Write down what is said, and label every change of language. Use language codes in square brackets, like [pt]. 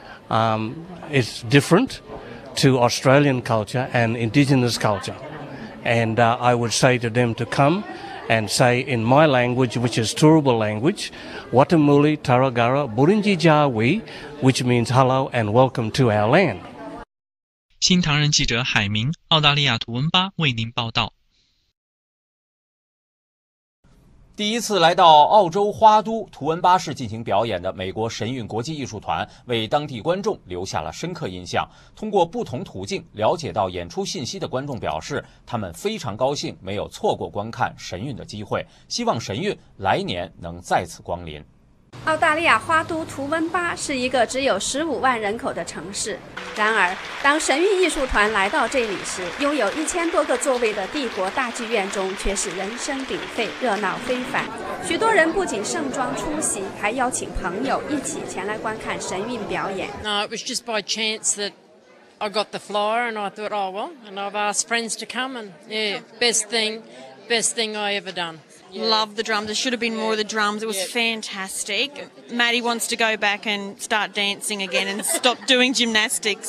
[en] It's different to Australian culture and Indigenous culture. And I would say to them to come and say in my language, which is Turrbal language, [yxg] Watamuli Taragara Burinji Jawi, [en] which means hello and welcome to our land. [zh] 新唐人记者海明，澳大利亚图文巴为您报道。第一次来到澳洲花都图文巴市进行表演的美国神韵国际艺术团，为当地观众留下了深刻印象。通过不同途径了解到演出信息的观众表示，他们非常高兴没有错过观看神韵的机会，希望神韵来年能再次光临。澳大利亚花都图文巴是一个只有150,000人口的城市，然而当神韵艺术团来到这里时，拥有1000多个座位的帝国大剧院中却是人声鼎沸，热闹非凡。许多人不仅盛装出席，还邀请朋友一起前来观看神韵表演。 [en] No, it was just by chance that I got the flyer and I thought, oh well, and I've asked friends to come and yeah, best thing I ever doneYeah. Love the drums. It should have been more of the drums. It was fantastic. Maddie wants to go back and start dancing again and stop doing gymnastics.